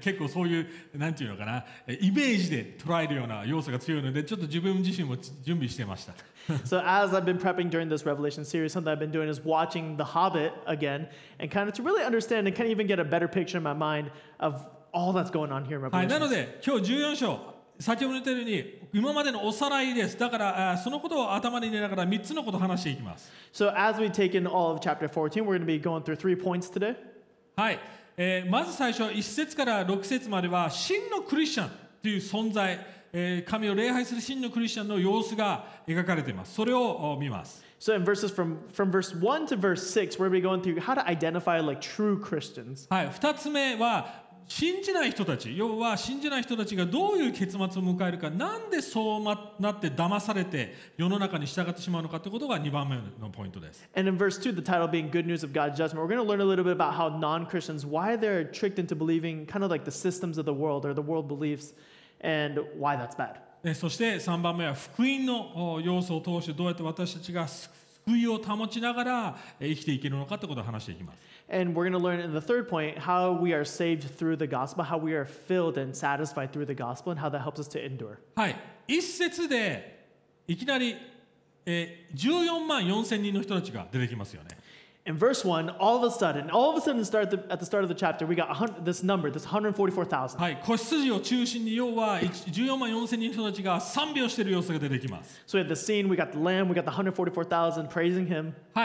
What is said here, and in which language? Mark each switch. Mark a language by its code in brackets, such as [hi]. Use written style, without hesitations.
[ja] 結構そういう、なんていうのかな、イメージで捉えるような要素が強いので、ちょっと自分自身も準備してました。 [en] So as I've been prepping during this Revelation series, something I've been doing is watching The Hobbit again, and kind of to really understand and kind of even get a better picture in my mind of all that's going on here in Revelation. [ja] はい、なので、今日14章。先ほど言ったように今までのおさらいです。だからそのことを頭に入れながら3つのことを話していきます。 [en] So as we take in all of chapter 14, we're going to be going through three points today. [ja] はい。まず最初、1節から6節までは真のクリスチャンという存在、神を礼拝する真のクリスチャンの様子が描かれています。それを見ます。 [en] So in verses from verse 1 to verse 6, we're going to be going through how to identify like true Christians. [ja] はい。 2つ目は信じない人たち、要は信じない人たちがどういう結末を迎えるか、なんでそうなって騙されて世の中に従ってしまうのかということが2番目のポイントです。 [en] And in verse 2, the title being Good News of God's Judgment, we're going to learn a little bit about how non-Christians, why they're tricked into believing kind of like the systems of the world or the world beliefs and why that's bad. [ja] そして3番目は福音の要素を通してどうやって私たちが福音を保ちながら生きていけるのかということを話していきます。 [en] And we're going to learn in the third point how we are saved through the gospel, how we are filled and satisfied through the gospel, and how that helps us to endure. [ja] はい。一節でいきなり14万4千人の人たちが出てきますよね。 [en] In verse 1, all of a sudden at the start of the chapter, we got this number, this 144,000. So we have the scene, we got the lamb, we got the 144,000 praising him.